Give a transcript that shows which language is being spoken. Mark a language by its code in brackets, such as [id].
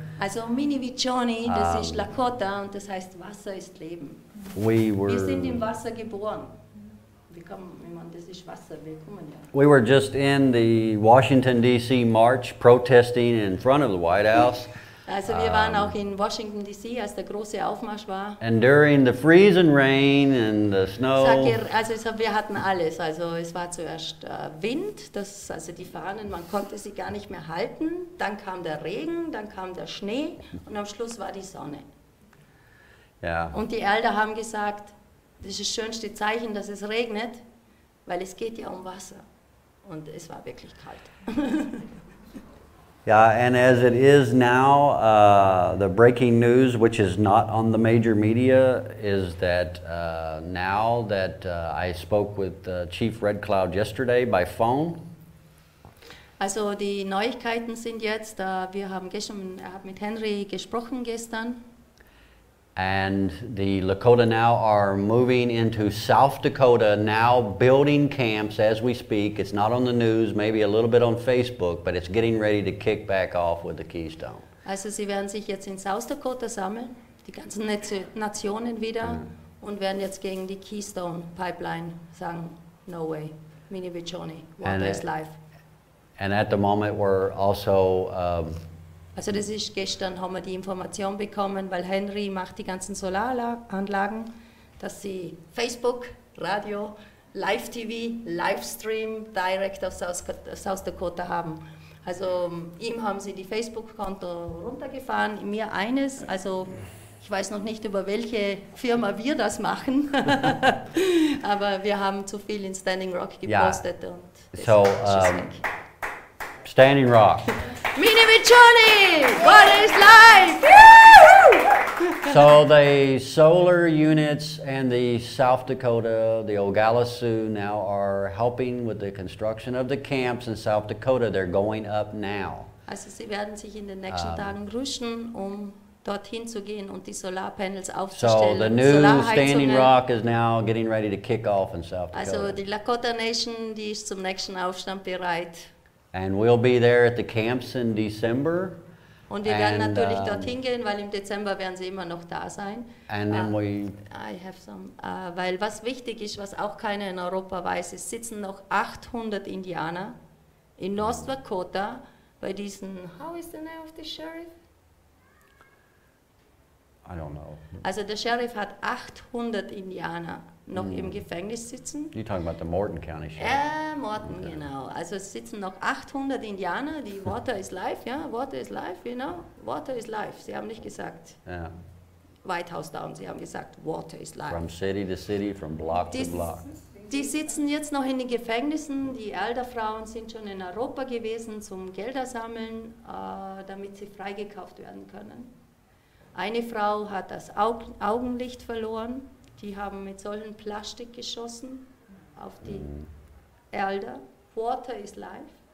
[de] Also Mini Vichoni, das ist Lakota und das heißt Wasser ist Leben. Wir sind im Wasser geboren. Wir kommen, das ist Wasser, wir kommen ja. [en] We were just in the Washington DC march protesting in front of the White House. [de] Also wir waren auch in Washington DC, als der große Aufmarsch war. [en] And during the freezing rain and the snow. [de] Also wir hatten alles, also es war zuerst Wind, also die Fahnen, man konnte sie gar nicht mehr halten, dann kam der Regen, dann kam der Schnee und am Schluss war die Sonne. [en] Yeah. [de] Und die Elder haben gesagt, das ist das schönste Zeichen, dass es regnet, weil es geht ja um Wasser und es war wirklich kalt. [en] Yeah, and as it is now, the breaking news, which is not on the major media, is that now that I spoke with Chief Red Cloud yesterday by phone. [de] Also die Neuigkeiten sind jetzt, wir haben gestern, er hat mit Henry gesprochen gestern. [en] And the Lakota now are moving into South Dakota, now building camps as we speak. It's not on the news, maybe a little bit on Facebook, but it's getting ready to kick back off with the Keystone. [de] Also, sie werden sich jetzt in South Dakota sammeln, die ganzen Nationen wieder, und werden jetzt gegen die Keystone Pipeline sagen, [en] no way, [de] Mini Bichoni, [en] water is life. And at the moment we're also... [de] Also das ist gestern, haben wir die Information bekommen, weil Henry macht die ganzen Solaranlagen, dass sie Facebook, Radio, Live-TV, Livestream direkt aus South Dakota haben. Also ihm haben sie die Facebook-Konto runtergefahren, mir eines, also ich weiß noch nicht, über welche Firma wir das machen, aber wir haben zu viel in Standing Rock gepostet. [en] Yeah. [de] Und [en] so, Standing Rock. Mini Bichoni, what is life? So the solar units and the South Dakota, the Ogallala Sioux now are helping with the construction of the camps in South Dakota. They're going up now. [de] Also sie werden sich in den nächsten Tagen rüsten, um dorthin zu gehen und die Solarpanels aufzustellen. [en] So the new Standing Rock is now getting ready to kick off in South Dakota. [de] Also die Lakota Nation, die ist zum nächsten Aufstand bereit. [en] And we'll be there at the camps in December. [de] Und wir werden natürlich dorthin gehen, weil im Dezember werden sie immer noch da sein. [en] And then we... I have some... [de] weil was wichtig ist, was auch keiner in Europa weiß, es sitzen noch 800 Indianer in North Dakota bei diesen... [en] How is the name of the sheriff? I don't know. [de] Also der Sheriff hat 800 Indianer noch im Gefängnis sitzen. [en] You're talking about the Morton County Sheriff. [de] Morton, okay. Genau. Also es sitzen noch 800 Indianer, die [en] Water is life, [de] ja, yeah? [en] Water is life, you know? Water is life, [de] sie haben nicht gesagt. [en] Yeah. White House down, [de] sie haben gesagt, [en] Water is life. From city to city, from block to block. [de] Die sitzen jetzt noch in den Gefängnissen, die Elderfrauen sind schon in Europa gewesen, zum Gelder sammeln, damit sie freigekauft werden können. Eine Frau hat das Augenlicht verloren. Die haben mit solchen Plastik geschossen auf die Elder. [en] Water is life.